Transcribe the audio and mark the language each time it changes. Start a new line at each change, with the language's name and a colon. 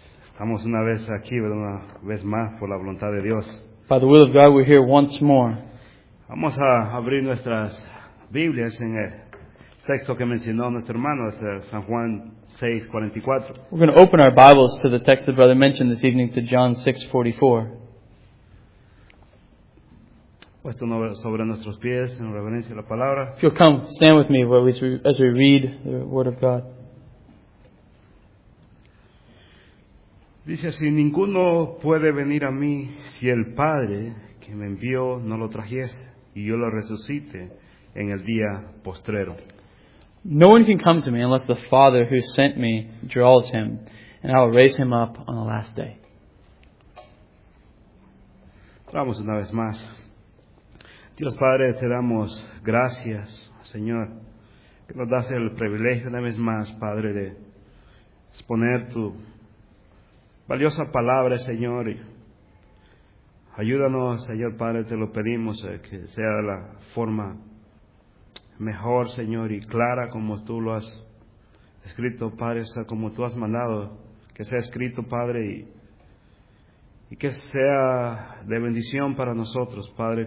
Spanish: Estamos una vez aquí, una vez más, por la voluntad de Dios.
English: By the will of God, we're here once more.
Spanish: Vamos a abrir nuestras Biblias en el texto que mencionó nuestro hermano, San Juan 6:44.
English: We're going to open our Bibles to the text the brother mentioned this evening, to John 6:44.
Spanish: Puesto sobre nuestros pies en reverencia a la palabra.
English: If you'll come, stand with me as we read the Word of God.
Spanish: Dice así: ninguno puede venir a mí si el Padre que me envió no lo trajese, y yo lo resucite en el día postrero.
English: No one can come to me unless the Father who sent me draws him, and I will raise him up on the last day.
Spanish: Vamos una vez más. Dios Padre, te damos gracias, Señor, que nos das el privilegio una vez más, Padre, de exponer tu valiosa palabra, Señor. Ayúdanos, Señor Padre, te lo pedimos, que sea la forma mejor, Señor, y clara como tú lo has escrito, Padre, como tú has mandado que sea escrito, Padre, y que sea de bendición para nosotros, Padre.